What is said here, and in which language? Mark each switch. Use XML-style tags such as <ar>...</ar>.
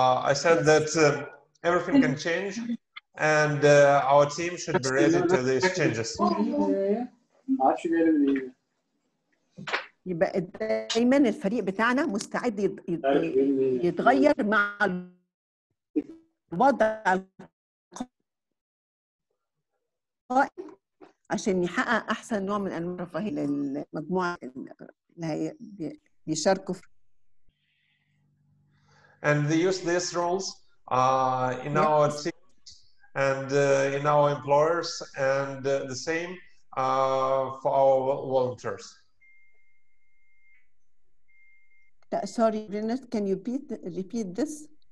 <en>I said that everything can change, and our team should be ready to these changes.</en> <ar>يبقى دايما الفريق بتاعنا مستعد يتغير مع الوضع القائم عشان يحقق احسن نوع من انواع الرفاهيه للمجموعه اللي بيشاركوا</ar> <en>And they use these roles in our teams and in our employers and the same for our volunteers. Sorry, Renat, can you repeat this?</en>